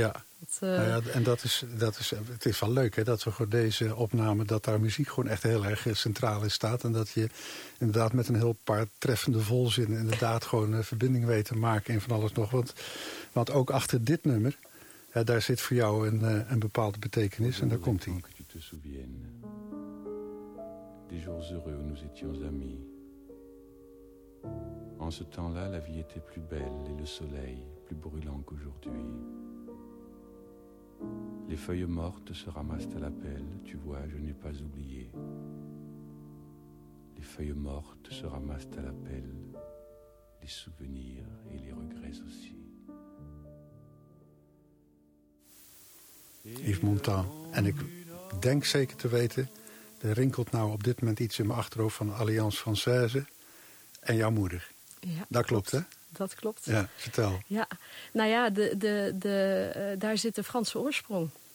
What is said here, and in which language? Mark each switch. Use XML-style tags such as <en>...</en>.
<nl>Ja, het is wel leuk, hè, dat we gewoon deze opname, dat daar muziek gewoon echt heel erg centraal in staat. En dat je inderdaad met een heel paar treffende volzinnen inderdaad gewoon een verbinding weet te maken en van alles nog. Want ook achter dit nummer, daar zit voor jou een bepaalde betekenis en daar komt hij.</nl> <fr>Que tu te souviennes des jours heureux où nous étions amis. En ce temps-là, la vie était plus belle et le soleil plus brûlant qu'aujourd'hui. Les feuilles mortes se ramassent à la pelle, tu vois, je n'ai pas oublié. Les feuilles mortes se ramassent à la pelle, les souvenirs et les regrets aussi. Yves Montand.</fr> <nl>En ik denk zeker te weten, er rinkelt nou op dit moment iets in mijn achterhoofd van Alliance Française en jouw moeder. Ja. Dat klopt, hè? Dat klopt. Ja, vertel. Ja, nou ja, daar zit de Franse oorsprong.</nl>